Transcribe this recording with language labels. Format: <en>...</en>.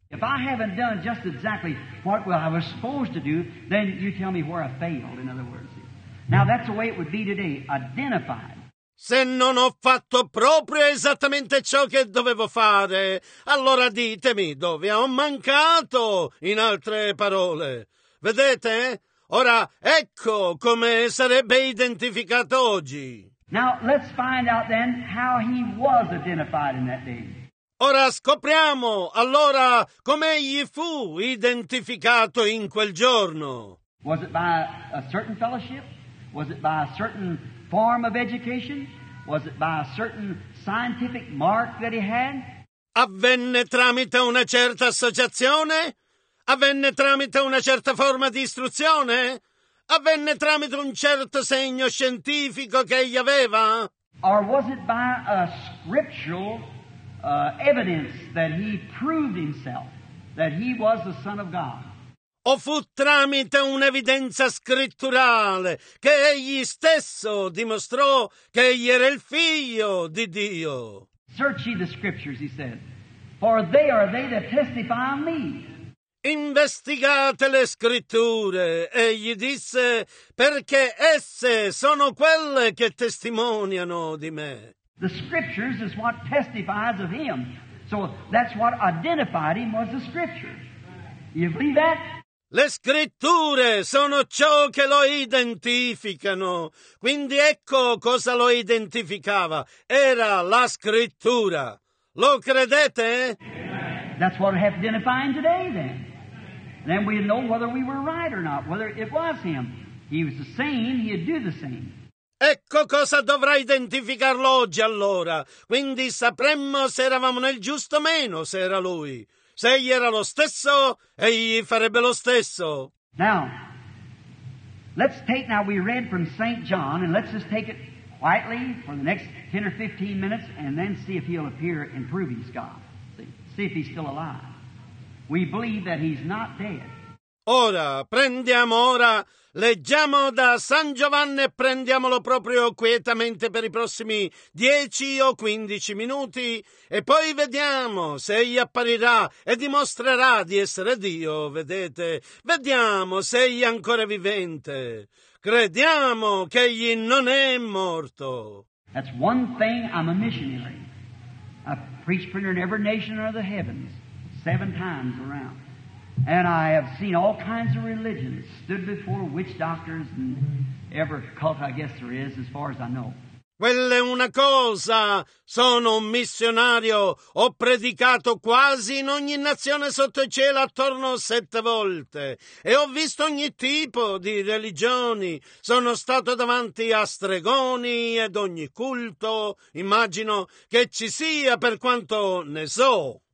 <en>If I haven't done just exactly what I was supposed to do, then you tell me where I failed, in other words. Now that's the way it would be today, identified.</en> <it>Se non ho fatto proprio esattamente ciò che dovevo fare, allora ditemi dove ho mancato, in altre parole. Vedete? Ora, ecco come sarebbe identificato oggi.</it> <en>Now, let's find out then how he was identified in that day.</en> <it>Ora, scopriamo, allora, come egli fu identificato in quel giorno.</it> <en>Was it by a certain fellowship? Was it by a certain form of education? Was it by a certain scientific mark that he had?</en> <it>Avvenne tramite una certa associazione? Avvenne tramite una certa forma di istruzione? Avvenne tramite un certo segno scientifico che egli aveva?</it> <en>Or was it by a scriptural evidence that he proved himself, that he was the Son of God?</en> <it>O fu tramite un'evidenza scritturale che egli stesso dimostrò che egli era il Figlio di Dio?</it> <en>Search ye the scriptures, he said, for they are they that testify of me.</en> <it>Investigate le scritture, egli disse, perché esse sono quelle che testimoniano di me.</it> <en>The scriptures is what testifies of him. So that's what identified him was the scriptures. You believe that?</en> <it>Le scritture sono ciò che lo identificano. Quindi ecco cosa lo identificava. Era la scrittura. Lo credete?</it> <en>That's what have identifying today then. Then we'd know whether we were right or not, whether it was him. He was the same, he'd do the same.</en> <it>Ecco cosa dovrà identificarlo oggi allora. Quindi sapremmo se eravamo nel giusto o meno, se era lui. Se egli era lo stesso, egli farebbe lo stesso.</it> <en>Now, let's take, now we read from St. John, and let's just take it quietly for the next 10 or 15 minutes, and then see if he'll appear and prove he's God. See if he's still alive. We believe that he's not dead.</en> <it>Ora, prendiamo ora, leggiamo da San Giovanni e prendiamolo proprio quietamente per i prossimi 10 o 15 minuti e poi vediamo se egli apparirà e dimostrerà di essere Dio, vedete? Vediamo se egli è ancora vivente. Crediamo che egli non è morto.</it> <en>That's one thing, I'm a missionary. A preach printer in every nation under the heavens. 7 times around. And I have seen all kinds of religions, stood before witch doctors and every cult I guess there is, as far as I know.</en> <it>Quella è una cosa. Sono un missionario. Ho predicato quasi in ogni nazione sotto il cielo attorno 7 volte. E ho visto ogni tipo di religioni. Sono stato davanti a stregoni ed ogni culto. Immagino che ci sia per quanto ne so.</it>